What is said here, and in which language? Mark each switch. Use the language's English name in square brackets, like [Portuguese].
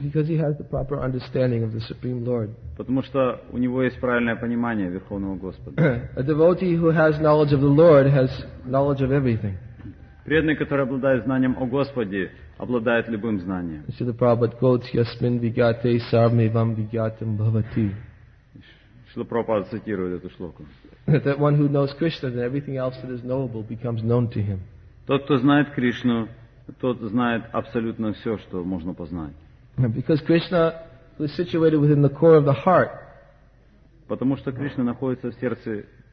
[English] Because he has the proper understanding of the Supreme Lord. [Russian] Потому что у него есть правильное понимание Верховного Господа. [English] A devotee who has knowledge of the Lord has knowledge of everything. [Russian] Преданный, который обладает знанием о Господе, обладает любым знанием. [Sanskrit] Шрила Прабхупада говорит, «Ясмин вигате сарме вам вигатам бхавати». [Russian] Шрила Прабхупада цитирует эту шлоку. [English] That one who knows Krishna, then everything else that is knowable becomes known to him. [Russian] Тот, кто знает Кришну, тот знает абсолютно все, что можно познать. [English] Because Krishna is situated within the core of the heart. [Russian] Потому что Кришна находится в сердце